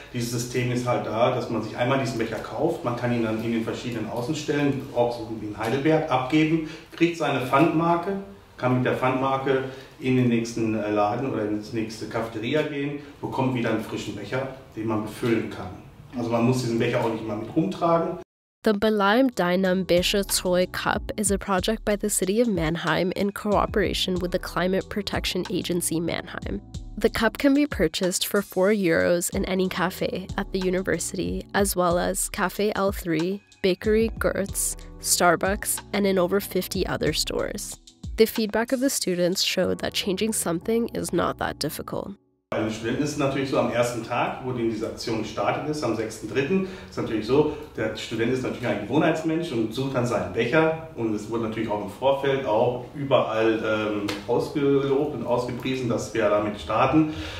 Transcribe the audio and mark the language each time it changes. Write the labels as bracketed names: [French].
[German] Dieses System ist halt da, dass man sich einmal diesen Becher kauft. Man kann ihn dann in den verschiedenen Außenstellen, auch so wie in Heidelberg, abgeben, kriegt seine Pfandmarke, kann mit der Pfandmarke in den nächsten Laden oder ins nächste Cafeteria gehen, bekommt wieder einen frischen Becher, den man befüllen kann. Also man muss diesen Becher auch nicht immer mit rumtragen. [English] The Beleim Deinem Becher Troy Cup is a project by the City of Mannheim in cooperation with the Climate Protection Agency Mannheim. The cup can be purchased for 4 euros in any cafe at the university, as well as Cafe L3, Bakery Gertz, Starbucks, and in over 50 other stores. The feedback of the students showed that changing something is not that difficult. [German] Bei den Studenten ist es natürlich so, am ersten Tag, wo diese Aktion gestartet ist, am 6.3., ist natürlich so, der Student ist natürlich ein Gewohnheitsmensch und sucht dann seinen Becher. Und es wurde natürlich auch im Vorfeld auch überall ausgelobt und ausgepriesen, dass wir damit starten.